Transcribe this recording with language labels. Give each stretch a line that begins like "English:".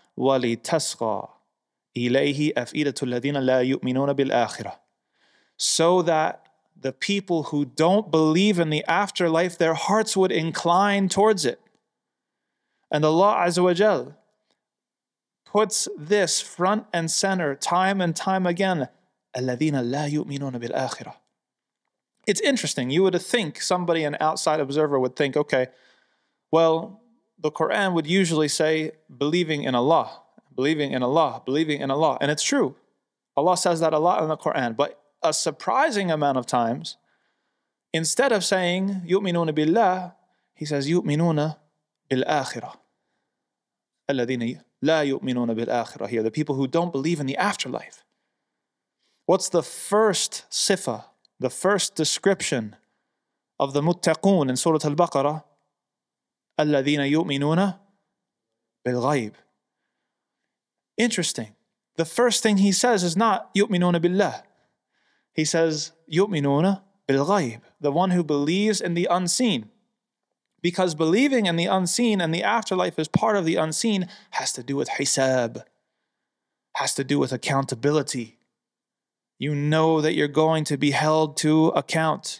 Arabic: وَلِتَسْقَى إِلَيْهِ أَفْئِدَةُ الَّذِينَ لَا يُؤْمِنُونَ بِالْآخِرَةِ
English: So that the people who don't believe in the afterlife, their hearts would incline towards it. And Allah Azza wa Jal puts this front and center time and time again.
Arabic: الَّذِينَ لَا يُؤْمِنُونَ بِالْآخِرَةِ
English: It's interesting. You would think, somebody, an outside observer would think, okay, well, the Quran would usually say, believing in Allah. And it's true. Allah says that a lot in the Quran. But a surprising amount of times, instead of saying,
Arabic: يُؤْمِنُونَ بِاللَّهِ,
English: he says,
Arabic: يُؤْمِنُونَ بِالْآخِرَةِ الَّذِينَ لَا يُؤْمِنُونَ بِالْآخِرَةِ
English: Here, the people who don't believe in the afterlife. What's the first sifa, the first description of the muttaqoon in Surah Al-Baqarah?
Arabic: الَّذِينَ يُؤْمِنُونَ بِالْغَيْبِ
English: Interesting. The first thing he says is not
Arabic: يُؤْمِنُونَ بِاللَّهِ.
English: He says
Arabic: يُؤْمِنُونَ بِالْغَيْبِ
English: The one who believes in the unseen. Because believing in the unseen and the afterlife is part of the unseen has to do with حساب. Has to do with accountability. You know that you're going to be held to account.